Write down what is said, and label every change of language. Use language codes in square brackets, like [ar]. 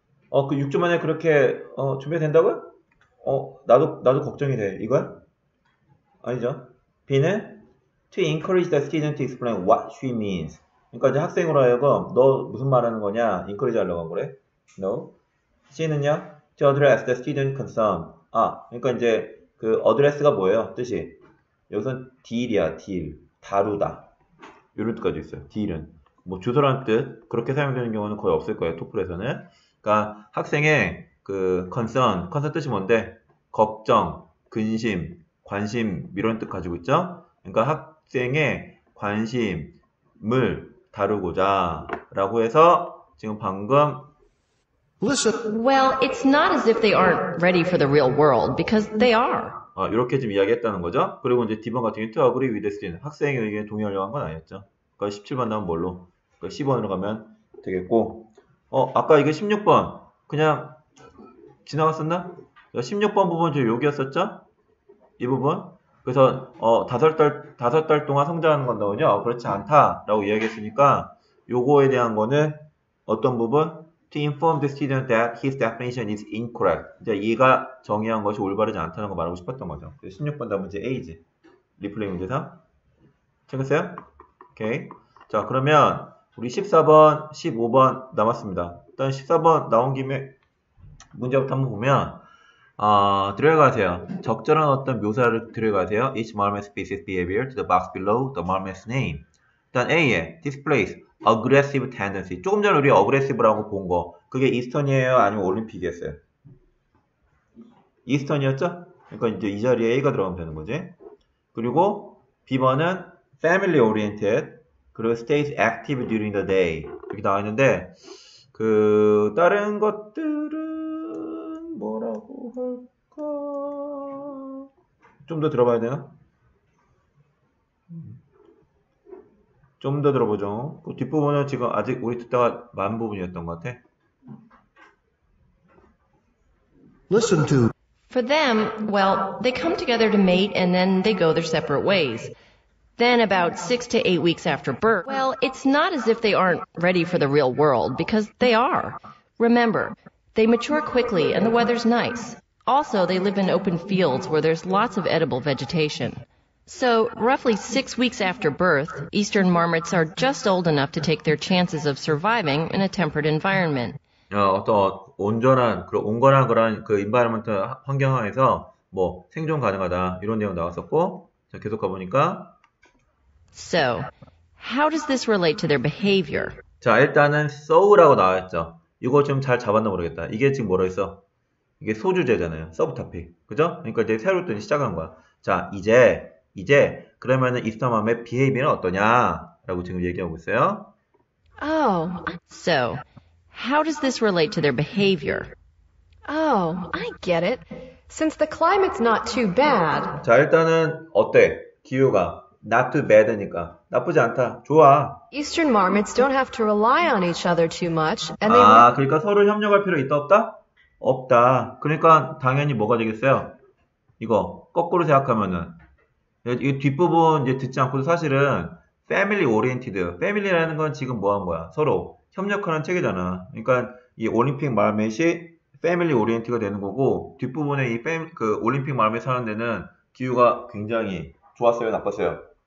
[ko] 어, 그 6주 만에 그렇게 어, 준비된다고? 어, 나도 걱정이 돼. 이거야? 아니죠. B는? [en] To encourage the student to explain what she means. [ko] 그러니까 이제 학생으로 하여금 너 무슨 말하는 거냐? [en] Encourage [ko] 하려고 그래? [en] No. C는요? To address the student concern. [ko] 아, 그러니까 이제 그 address가 뭐예요? 뜻이. 여기서 deal이야, deal. 다루다. 이런 뜻까지 있어요. deal은. 뭐 주소란 뜻 그렇게 사용되는 경우는 거의 없을 거예요. 토플에서는. 그러니까 학생의 그 concern. concern 뜻이 뭔데? 걱정, 근심, 관심 이런 뜻 가지고 있죠? 그러니까 학생의 관심을 다루고자 라고 해서 지금 방금 [en] Listen. Well, it's not as if they aren't ready for the real world, because they are. [ko] 아, 이렇게 지금 이야기했다는 거죠? 그리고 이제 D번 같은 경우는 [en] to agree with the student. [ko] 학생의 의견에 동의하려고 한 건 아니었죠. 그러니까 17번 나오면 뭘로? 그러니까 10번으로 가면 되겠고. 어, 아까 이게 16번. 그냥 지나갔었나? 16번 부분 중에 여기였었죠? 이 부분. 그래서, 어, 5달 동안 성장하는 건다군요. 그렇지 않다. 라고 이야기했으니까, 요거에 대한 거는 어떤 부분? [en] To inform the student that his definition is incorrect. [ko] 이제 얘가 정의한 것이 올바르지 않다는 걸 말하고 싶었던 거죠. 16번 답은 이제 age. 리플레이 문제상. 찾았어요? 오케이. 자, 그러면 우리 14번, 15번 남았습니다. 일단 14번 나온 김에 문제부터 한번 보면, 아, 들어가세요. 적절한 어떤 묘사를 들어가세요. [en] Each marmot species behavior to the box below the marmot's name. [ko] 일단 A에 displays. [en] Aggressive tendency. [ko] 조금 전에 우리 aggressive라고 본 거. 그게 이스턴이에요? 아니면 올림픽이었어요? 이스턴이었죠? 그러니까 이제 이 자리에 A가 들어가면 되는 거지. 그리고 B번은 [en] family oriented. [ko] 그리고 [en] stays active during the day. [ko] 이렇게 나와 있는데, 그, 다른 것들은 뭐라고 할까? 좀 더 들어봐야 되나? 좀 더 들어보죠. 그 뒷부분은 지금 아직 우리 듣다가 만 부분이었던 것 같아. [en] Listen to. For them, well, they come together to mate and then they go their separate ways. Then about 6 to 8 weeks after birth, well, it's not as if they aren't ready for the real world, because they are. Remember, they mature quickly and the weather's nice. Also, they live in open fields where there's lots of edible vegetation. So, roughly 6 weeks after birth, Eastern marmots are just old enough to take their chances of surviving in a temperate environment. [ko] 야, 어떤 온전한, 그런 온건한 그런 그 environment 환경에서 뭐 생존 가능하다 이런 내용 나왔었고, 자 계속 가보니까. [en] So, how does this relate to their behavior? [ko] 자 일단은 so라고 나왔죠. 이거 지금 잘 잡았나 모르겠다. 이게 지금 뭐라 했어? 이게 소주제잖아요. Subtopic, 그죠? 그러니까 이제 새로 또 시작한 거야. 자 이제. 이제 그러면은 이스터맘의 비헤이비는 어떠냐라고 지금 얘기하고 있어요. [en] Oh, so how does this relate to their behavior? Oh, I get it. Since the climate's not too bad. [ko] 자 일단은 어때? 기후가 [en] not too bad [ko] 니까 나쁘지 않다. 좋아. [en] Eastern marmots don't have to rely on each other too much, and [ko] 그러니까 서로 협력할 필요 있다 없다? 없다. 그러니까 당연히 뭐가 되겠어요? 이거 거꾸로 생각하면은 이 뒷부분 이제 듣지 않고도 사실은 패밀리 오리엔티드, 패밀리라는 건 지금 뭐한 거야? 서로 협력하는 체계잖아. 그러니까 이 올림픽 말미시 패밀리 오리엔티가 되는 거고, 뒷부분에 이 그 올림픽 말미 사는 데는 기후가 굉장히 좋았어요, 나빴어요?